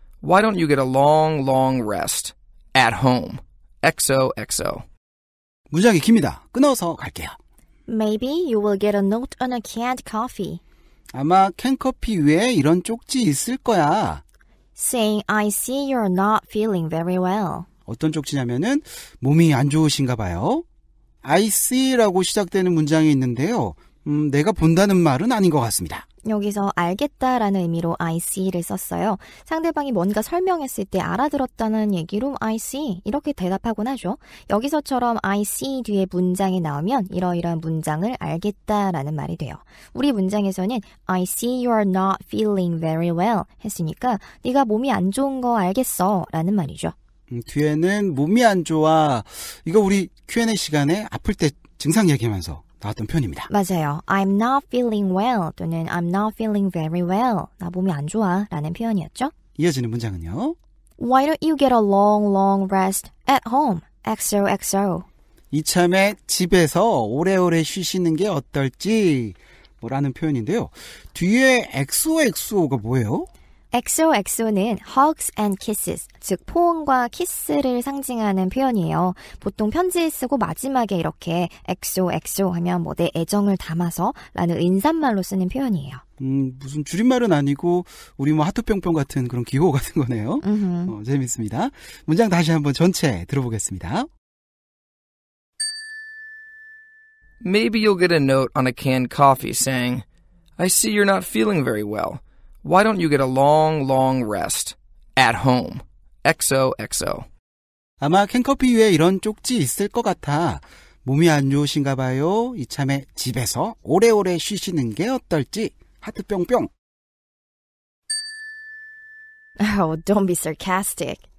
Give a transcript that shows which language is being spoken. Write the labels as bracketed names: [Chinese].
[English] Why don't you get a long, long rest? At home. XOXO. [Korean] 문장이 깁니다. 끊어서 갈게요. [English] Maybe you will get a note on a canned coffee. [Korean] 아마 캔커피 위에 이런 쪽지 있을 거야. [English] Saying, I see you're not feeling very well. [Korean] 어떤 쪽지냐면은 몸이 안 좋으신가 봐요. [English] I see [Korean] 라고 시작되는 문장이 있는데요. 내가 본다는 말은 아닌 것 같습니다. 여기서 알겠다라는 의미로 I see를 썼어요. 상대방이 뭔가 설명했을 때 알아들었다는 얘기로 I see 이렇게 대답하곤 하죠. 여기서처럼 I see 뒤에 문장이 나오면 이러이러한 문장을 알겠다라는 말이 돼요. 우리 문장에서는 [English] I see you are not feeling very well [Korean] 했으니까 네가 몸이 안 좋은 거 알겠어 라는 말이죠. 뒤에는 몸이 안 좋아. 이거 우리 Q&A 시간에 아플 때 증상 얘기하면서 나왔던 표현입니다. 맞아요. [English] I'm not feeling well 또는 I'm not feeling very well. [Korean] 나 몸이 안 좋아 라는 표현이었죠. 이어지는 문장은요. [English] Why don't you get a long, long rest at home? XOXO. [Korean] 이참에 집에서 오래오래 쉬시는 게 어떨지 라는 표현인데요. 뒤에 XOXO가 뭐예요? XOXO는 [English] hugs and kisses, [Korean] 즉 포옹과 키스를 상징하는 표현이에요. 보통 편지에 쓰고 마지막에 이렇게 XOXO 하면 뭐 내 애정을 담아서 라는 인사말로 쓰는 표현이에요. 무슨 줄임말은 아니고 우리 뭐 하트평평 같은 그런 기호 같은 거네요. 재밌습니다. 문장 다시 한번 전체 들어보겠습니다. [English] Maybe you'll get a note on a canned coffee saying, I see you're not feeling very well. Why don't you get a long, long rest at home? XOXO. [Korean] 아마 캔커피 위에 이런 쪽지 있을 것 같아. 몸이 안 좋으신가 봐요. 이참에 집에서 오래오래 쉬시는 게 어떨지. 하트 뿅뿅. [English] Oh, don't be sarcastic.